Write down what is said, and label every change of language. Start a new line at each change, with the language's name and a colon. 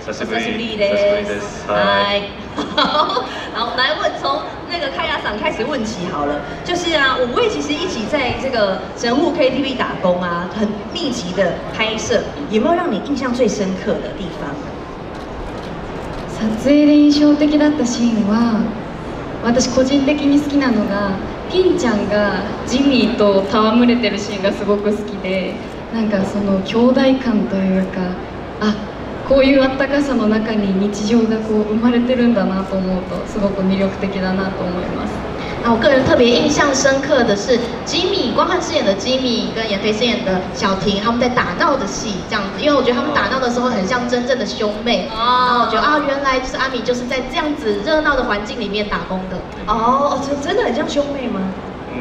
Chinese: 久久不嗨。好，然后来问，从那个开雅嗓开始问起好了。就是啊，五位其实一起在这个神户 KTV 打工啊，很密集的拍摄，有没有让你印象最深刻的地方？
Japanese: 撮影で印象的だったシーンは、私個人的に好きなのが。ピンちゃんがジミーと戯れてるシーンがすごく好きで、なんかその兄弟感というか、あ、こういうあったかさの中に日常がこう生まれてるんだなと思うと、すごく魅力的だなと思います。
Chinese: 那我个人特别印象深刻的是吉米，光汉饰演的吉米跟妍飞饰演的小婷，他们在打闹的戏这样子，因为我觉得他们打闹的时候很像真正的兄妹。哦，然后我觉得啊，原来就是阿米就是在这样子热闹的环境里面打工的。哦，真的很像兄妹吗？嗯、